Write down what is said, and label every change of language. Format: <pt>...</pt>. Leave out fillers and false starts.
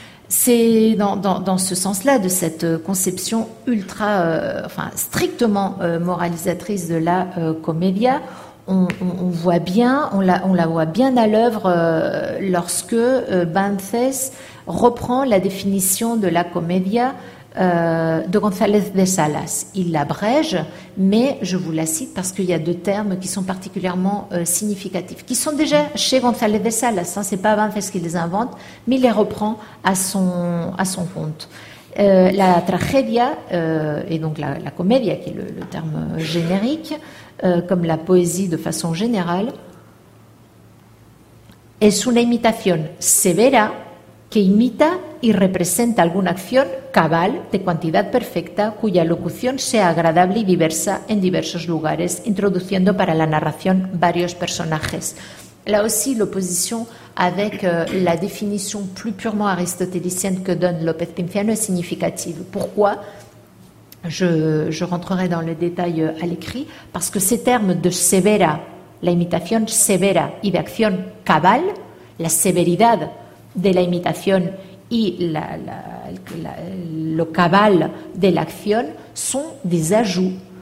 <fr>C'est dans ce sens-là, de cette conception ultra, enfin strictement moralisatrice de la comédia, on voit bien, on la voit bien à l'œuvre lorsque Banthès reprend la définition de la comédia de González de Salas. Il l'abrège, mais je vous la cite parce qu'il y a deux termes qui sont particulièrement significatifs, qui sont déjà chez González de Salas, hein, c'est pas Banthès qui les invente, mais il les reprend à son compte.</fr> <es>La tragedia,</es> <fr>et donc la comédia, qui est le terme générique, comme la poésie de façon générale,</fr> <es>es una imitación severa que imita y representa alguna acción cabal de cantidad perfecta cuya locución sea agradable y diversa en diversos lugares, introduciendo para la narración varios personajes.</es> <fr>Là aussi, l'opposition avec la définition plus purement aristotélicienne que donne López Pinciano est significative. Pourquoi ? Je rentrerai dans le détail à l'écrit. Parce que ces termes de severa,</fr> <es>la imitación severa y de acción cabal, la severidad de la imitación y lo cabal</es> <fr>de l'acción, sont des ajouts</fr>